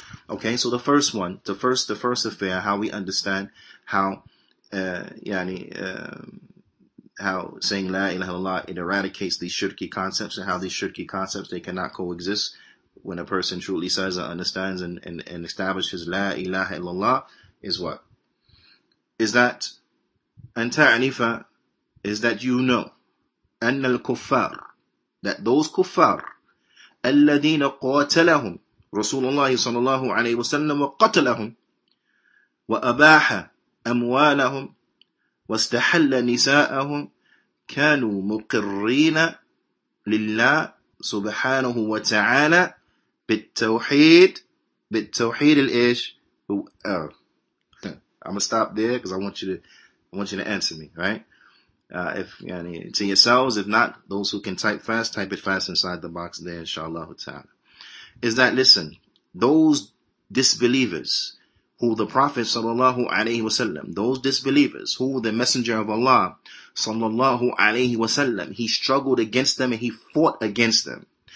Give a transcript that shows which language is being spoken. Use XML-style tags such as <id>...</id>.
<en>Okay, so the first affair, how we understand how saying la ilaha illallah, it eradicates these shirki concepts, and how these shirki concepts, they cannot coexist when a person truly says and understands and establishes la ilaha illallah, is what? Is that anta anifa? Is that you know?</en> <ar>أن الكفار,</ar> <en>that those kuffar,</en> <ar>الذين قاتلهم رسول الله صلى الله عليه وسلم وقتلهم وأباح أموالهم واستحل نساءهم كانوا مقرين لله سبحانه وتعالى بالتوحيد الإيش</ar> <en>I'm gonna stop there because I want you to answer me, right? To yourselves, if not, those who can type fast, type it fast inside the box there, inshallah ta'ala. Is that, listen, those disbelievers who the Prophet sallallahu alayhi wasallam, those disbelievers who the Messenger of Allah sallallahu alayhi wasallam, he struggled against them and he fought against them.</en>